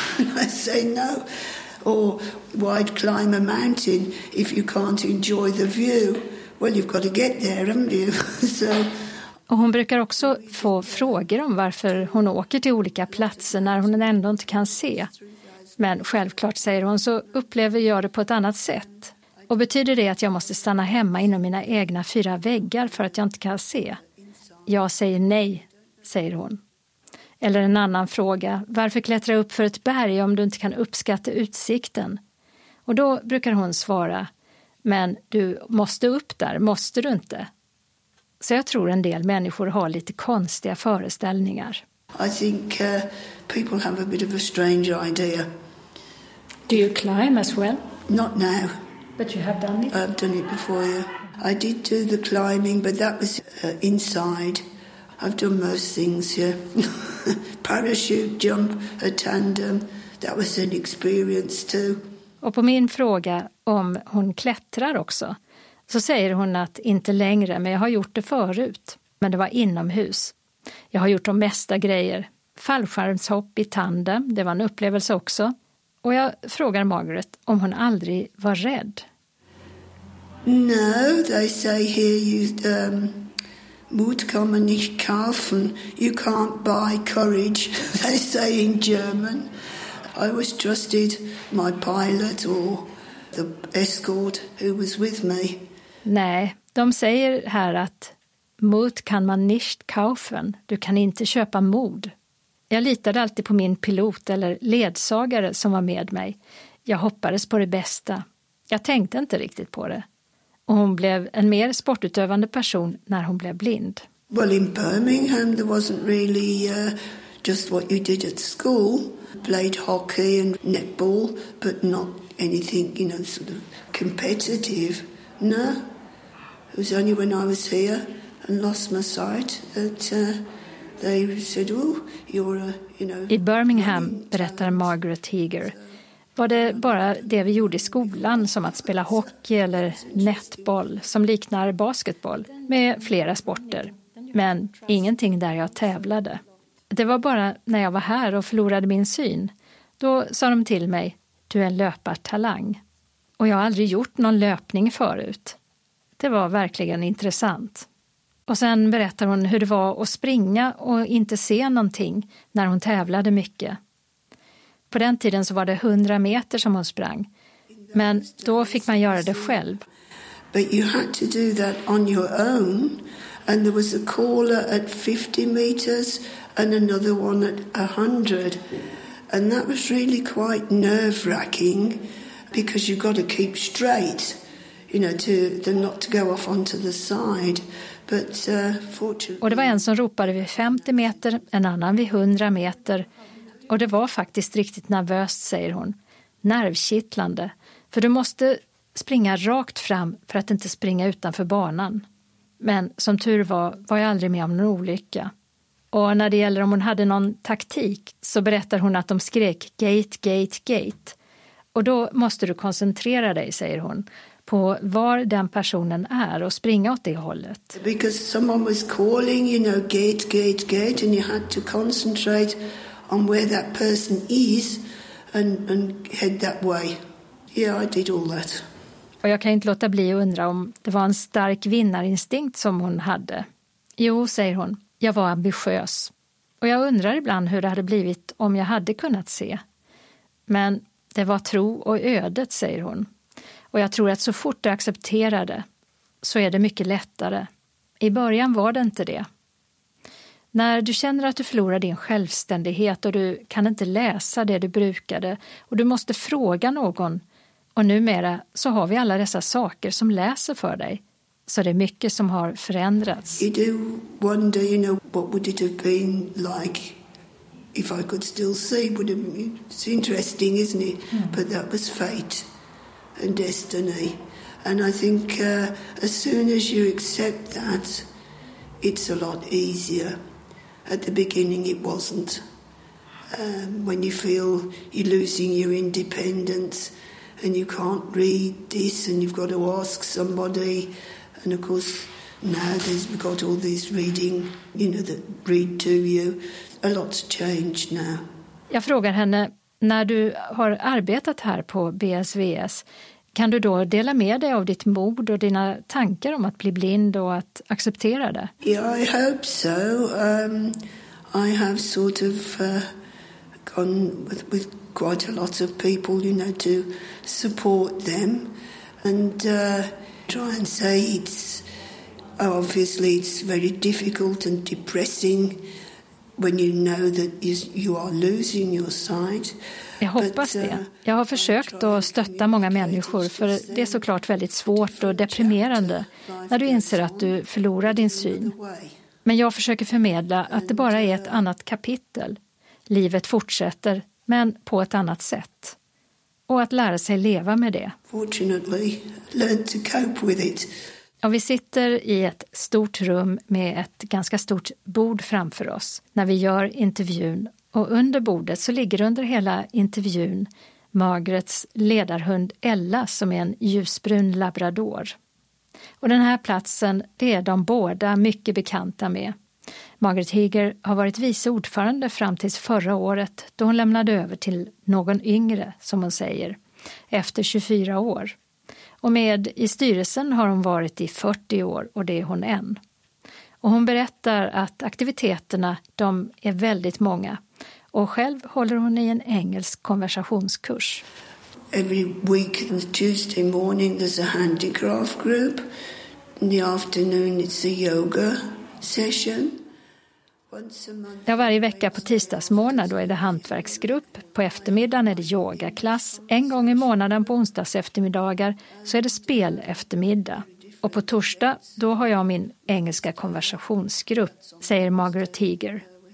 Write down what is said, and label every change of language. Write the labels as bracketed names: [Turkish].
[English] I say no. Or why climb a mountain if you can't enjoy the view? Well, you've got to get there, haven't you? So... [Swedish] Och hon brukar också få frågor om varför hon åker till olika platser när hon ändå inte kan se. Men självklart, säger hon, så upplever jag det på ett annat sätt. Och betyder det att jag måste stanna hemma inom mina egna fyra väggar för att jag inte kan se? Jag säger nej, säger hon. Eller en annan fråga, varför klättra upp för ett berg om du inte kan uppskatta utsikten? Och då brukar hon svara, men du måste upp där, måste du inte? Så jag tror en del människor har lite konstiga föreställningar. [English] I think people have a bit of a strange idea. Do you climb as well? Not now. But you have done it? I've done it before, yeah. I did do the climbing, but that was inside. I've done most things, yeah. Parachute jump, a tandem, that was an experience too. [Swedish] Och på min fråga om hon klättrar också, så säger hon att inte längre, men jag har gjort det förut. Men det var inomhus. Jag har gjort de mesta grejer. Fallskärmshopp i tandem, det var en upplevelse också. Och jag frågar Margaret om hon aldrig var rädd. [English] No, they say here you [German] mut kann man nicht kaufen. [English] You can't buy courage, they say in German. I always trusted my pilot or the escort who was with me. [Swedish] Nej, de säger här att [German] mut kan man nicht kaufen, [Swedish] du kan inte köpa mod. Jag litade alltid på min pilot eller ledsagare som var med mig. Jag hoppades på det bästa. Jag tänkte inte riktigt på det. Och hon blev en mer sportutövande person när hon blev blind. [English] Well, in Birmingham there wasn't really just what you did at school. Played hockey and netball, but not anything, you know, sort of competitive. No, it was only when I was here and lost my sight that they said, "Oh, you're a, you know." [Swedish] I Birmingham, berättar Margaret Heger, var det bara det vi gjorde i skolan, som att spela hockey eller netboll, som liknar basketboll, med flera sporter, men ingenting där jag tävlade. Det var bara när jag var här och förlorade min syn, då sa de till mig, "Du är en löpartalang." Och jag har aldrig gjort någon löpning förut. Det var verkligen intressant. Och sen berättar hon hur det var att springa och inte se någonting när hon tävlade mycket. På den tiden så var det 100 meter som hon sprang. Men då fick man göra det själv. [English] But you had to do that on your own. And there was a caller at 50 meters and another one at 100. And that was really quite nerve-wracking. Because you've got to keep straight, you know, to not to go off onto the side. But fortunately. [Swedish] Och det var en som ropade vid 50 meter, en annan vid 100 meter. Och det var faktiskt riktigt nervöst, säger hon. Nervkittlande. För du måste springa rakt fram för att inte springa utanför banan. Men som tur var jag aldrig med om någon olycka. Och när det gäller om hon hade någon taktik så berättar hon att de skrek gate, gate, gate. Och då måste du koncentrera dig, säger hon, på var den personen är och springa åt det hållet. [English] Because someone was calling, you know, gate, gate, gate, and you had to concentrate on where that person is and head that way. Yeah, I did all that. [Swedish] Och jag kan inte låta bli att undra om det var en stark vinnarinstinkt som hon hade. Jo, säger hon, jag var ambitiös. Och jag undrar ibland hur det hade blivit om jag hade kunnat se. Men det var tro och ödet, säger hon. Och jag tror att så fort du accepterar det så är det mycket lättare. I början var det inte det. När du känner att du förlorar din självständighet och du kan inte läsa det du brukade och du måste fråga någon, och numera så har vi alla dessa saker som läser för dig, så det är mycket som har förändrats. [English] You do wonder, you know, what would it have been like if I could still see? Would it be, it's interesting, isn't it? But that was fate and destiny. And I think as soon as you accept that, it's a lot easier. At the beginning it wasn't. When you feel you're losing your independence and you can't read this and you've got to ask somebody. And of course now there's got all this reading, you know, that read to you. A lot's changed now. [Swedish] Jag frågar henne, när du har arbetat här på BSVS, kan du då dela med dig av ditt mod och dina tankar om att bli blind och att acceptera det? [English] Yeah, I hope so. I have sort of gone with quite a lot of people, you know, to support them and try and say it's obviously it's very difficult and depressing when you know that you are losing your sight. [Swedish] Jag hoppas det. Jag har försökt att stötta många människor, för det är såklart väldigt svårt och deprimerande när du inser att du förlorar din syn. Men jag försöker förmedla att det bara är ett annat kapitel. Livet fortsätter, men på ett annat sätt. Och att lära sig leva med det. [English] Fortunately, learn to cope with it. [Swedish] Och vi sitter i ett stort rum med ett ganska stort bord framför oss när vi gör intervjun. Och under bordet så ligger under hela intervjun Margarets ledarhund Ella, som är en ljusbrun labrador. Och den här platsen, det är de båda mycket bekanta med. Margaret Heger har varit vice ordförande fram tills förra året då hon lämnade över till någon yngre, som hon säger, efter 24 år. Och med i styrelsen har hon varit i 40 år och det är hon än. Och hon berättar att aktiviteterna, de är väldigt många. Och själv håller hon i en engelsk konversationskurs. [English] Every week on Tuesday morning there's a handicraft group. In the afternoon it's a yoga session. [Swedish] Ja, varje vecka på tisdagsmorgon då är det hantverksgrupp. På eftermiddagen är det yogaklass. En gång i månaden på onsdags eftermiddagar så är det spel eftermiddag. Och på torsdag då har jag min engelska konversationsgrupp, säger Margaret Heger.